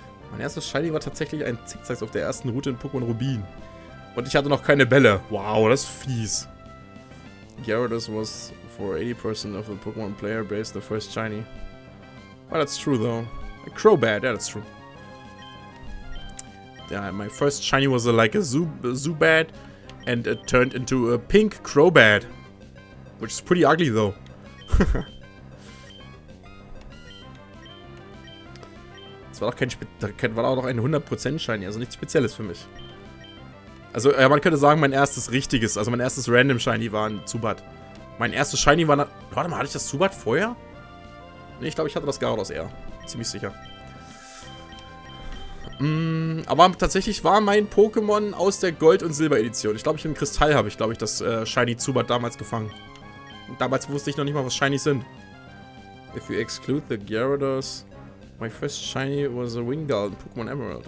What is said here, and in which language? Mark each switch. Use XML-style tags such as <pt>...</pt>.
<de>Mein erstes Shiny war tatsächlich ein Zickzack auf der ersten Route in Pokémon Rubin. Und ich hatte noch keine Bälle. Wow, das ist fies.</de> <en>Gyarados was for 80% of the Pokémon player base the first Shiny. Well, that's true though. A Crobat, yeah, that's true. Yeah, my first Shiny was a Zubat, and it turned into a pink Crobat. Which is pretty ugly though.</en> <de>Das war doch kein war auch noch ein 100% Shiny, also nichts Spezielles für mich. Also ja, man könnte sagen, mein erstes richtiges, also mein erstes Random Shiny war ein Zubat. Mein erstes Shiny war... Warte mal, hatte ich das Zubat vorher? Ne, ich glaube, ich hatte das Gyarados eher. Ziemlich sicher. Aber tatsächlich war mein Pokémon aus der Gold- und Silber-Edition. Ich glaube, ich im Kristall habe ich, glaube ich, das Shiny Zubat damals gefangen. Und damals wusste ich noch nicht mal, was Shinies sind.</de> <en>If you exclude the Gyarados, my first Shiny was a Wingull in Pokémon Emerald.</en>